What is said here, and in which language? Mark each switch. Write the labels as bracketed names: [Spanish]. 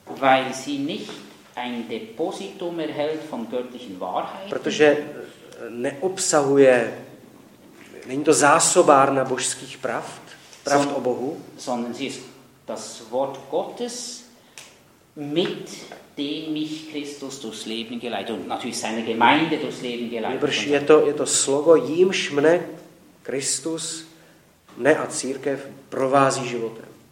[German] Weil sie nicht ein Depositum erhält von göttlichen Wahrheiten. [Czech] Protože neobsahuje, není to zásobárna božských pravd, pravd o Bohu. [German] Sondern sie ist das Wort Gottes mit dem mich Christus durchs Leben geleitet und natürlich seine Gemeinde durchs Leben geleitet. [Czech] Je to slovo, jímž mne Kristus, mne a církev provází životem.